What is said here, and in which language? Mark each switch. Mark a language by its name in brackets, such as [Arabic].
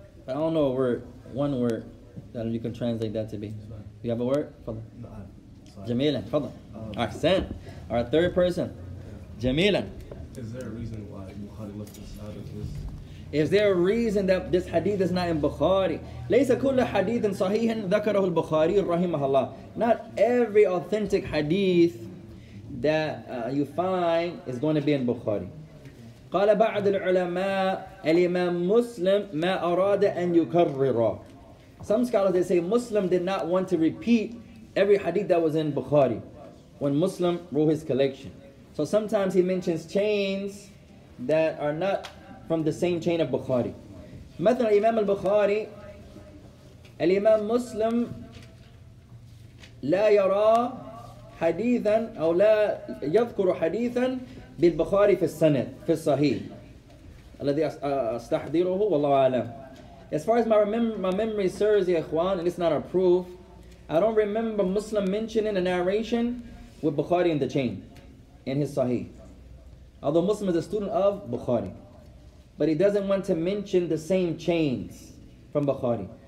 [English] I don't know a word, one word that you can translate that to be. You have a word? Jamila, Fadal. Ahsan. Our third person. Jamila. Is there a reason why Bukhari left this out of this? Is there a reason that this hadith is not in Bukhari? [Arabic] ليس كل حديث صحيح ذكره البخاري رحمه الله. [English] Not every authentic hadith that you find is going to be in Bukhari. [Arabic] قال بعض العلماء الإمام مسلم ما أراد أن يكرر. [English] Some scholars, they say Muslim did not want to repeat every hadith that was in Bukhari when Muslim wrote his collection. So sometimes he mentions chains that are not from the same chain of Bukhari. [Arabic] مثلا Imam al-Bukhari, Imam Muslim لا يرى حديثا أو لا يذكر حديثا بالبخاري في السند في الصحيح الذي استحضره والله أعلم. [English] As far as my memory serves, ya ikhwan, and it's not a proof, I don't remember Muslim mentioning a narration with Bukhari in the chain in his sahih. Although Muslim is a student of Bukhari, but he doesn't want to mention the same chains from Bukhari.